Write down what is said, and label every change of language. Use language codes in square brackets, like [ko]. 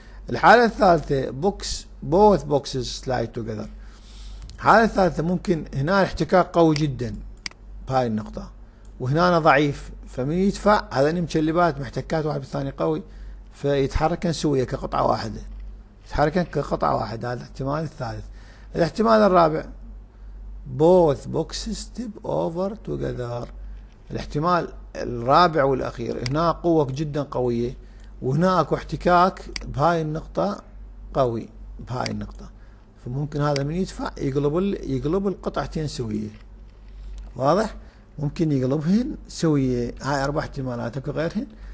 [ar] الحالة الثالثة [en] Box both boxes slide together. [ar] الحالة الثالثة ممكن هنا الاحتكاك قوي جدا بهاي النقطة، وهنا أنا ضعيف، فمن يدفع هذين مشلبات محتكات واحد بالثاني قوي فيتحركن سوية كقطعة واحدة، يتحركن كقطعة واحدة. هذا الاحتمال الثالث. الاحتمال الرابع [en] both boxes tip over together. [ar] الاحتمال الرابع والأخير هنا قوة جدا قوية وهناك احتكاك بهاي النقطة قوي بهاي النقطة، فممكن هذا من يدفع يقلب القطعتين سوية. واضح؟ ممكن يقلبهن سوية. هاي أربع احتمالات اكو غيرهن.